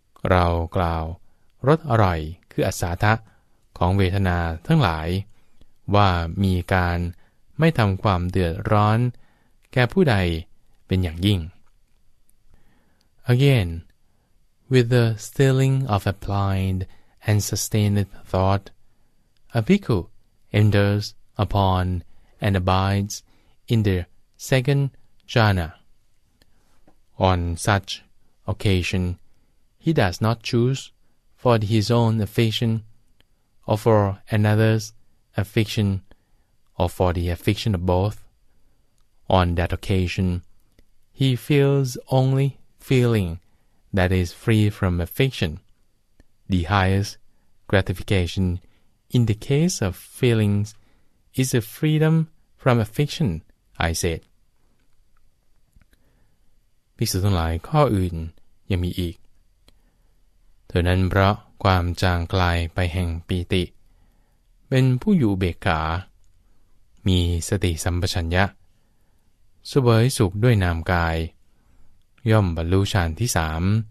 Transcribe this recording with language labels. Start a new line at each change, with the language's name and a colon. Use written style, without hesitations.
Thai: เรากล่าวรสอร่อยคืออัสสาทะของเวทนาทั้งหลายว่ามีการไม่ทำความเดือดร้อนแก่ผู้ใดเป็นอย่างยิ่ง
English: Again, with the stilling of applied and sustained thought, a bhikkhu enters upon and abides in the second jhana. On such occasion, he does not choose for his own affection, or for another's affection, or for the affection of both. On that occasion, he feels only feeling that is free from affection. The highest gratification in the case of feelings is a freedom from affection, I said.
Thai: ภิกษุทั้งหลายข้ออื่นยังมีอีกเธอนั้นเพราะความจางไกลไปแห่งปีติเป็นผู้อยู่เบกขามีสติสัมปชัญญะสุเบยสุขด้วยนามกายย่อมบรรลุฌานที่สาม